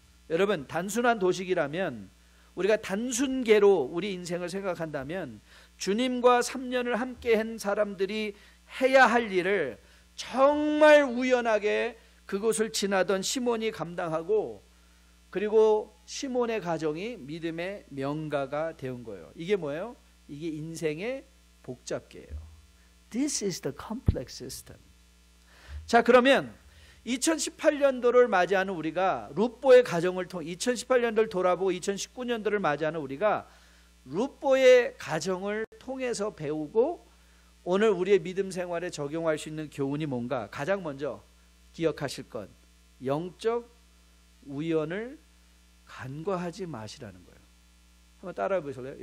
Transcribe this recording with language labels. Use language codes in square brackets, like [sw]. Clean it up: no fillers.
[ko] 여러분, 단순한 도식이라면 우리가 단순계로 우리 인생을 생각한다면 주님과 3년을 함께한 사람들이 해야 할 일을 정말 우연하게 그곳을 지나던 시몬이 감당하고 그리고 시몬의 가정이 믿음의 명가가 된 거예요. 이게 뭐예요? 이게 인생의 복잡계예요. [en] This is the complex system. [ko] 자, 그러면 2018년도를 맞이하는 우리가 룻보의 가정을 통해 2018년도를 돌아보고 2019년도를 맞이하는 우리가 룻보의 가정을 통해서 배우고 오늘 우리의 믿음 생활에 적용할 수 있는 교훈이 뭔가 가장 먼저 기억하실 것 영적 우연을 간과하지 마시라는 거예요. 한번 따라해 보실래요?